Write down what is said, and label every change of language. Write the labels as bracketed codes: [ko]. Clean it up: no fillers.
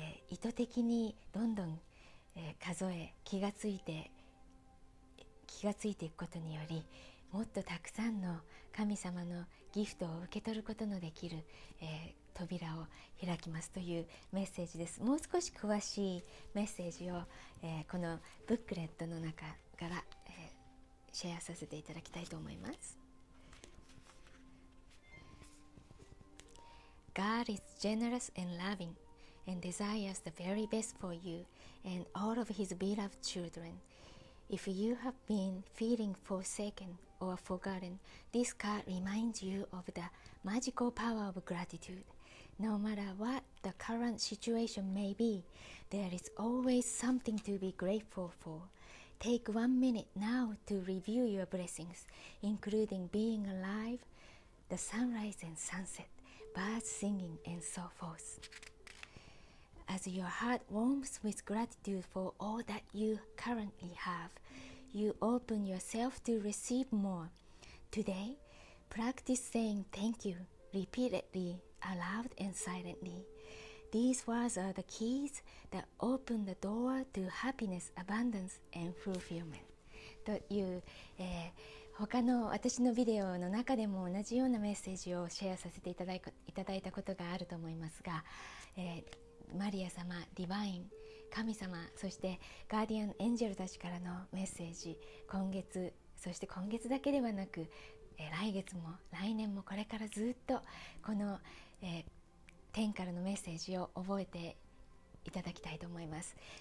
[ja] 意図的にどんどん、数え、気がついていくことにより、もっとたくさんの神様のギフトを受け取ることのできる、扉を開きますというメッセージです。もう少し詳しいメッセージを、このブックレットの中から、シェアさせていただきたいと思います。 [en] God is generous and lovingAnd desires the very best for you and all of his beloved children. If you have been feeling forsaken or forgotten, this card reminds you of the magical power of gratitude. No matter what the current situation may be, there is always something to be grateful for. Take 1 minute now to review your blessings, including being alive, the sunrise and sunset, birds singing, and so forth. As your heart warms with gratitude for all that you currently have, you open yourself to receive more. Today, practice saying thank you repeatedly, aloud and silently. These words are the keys that open the door to happiness, abundance, and fulfillment. [ja] という、他の私のビデオの中でも同じようなメッセージをシェアさせていただいたことがあると思いますが、マリア様、ディバイン、神様、そしてガーディアン、エンジェルたちからのメッセージ、今月、そして今月だけではなく、来月も来年もこれからずっとこの、天からのメッセージを覚えていただきたいと思います。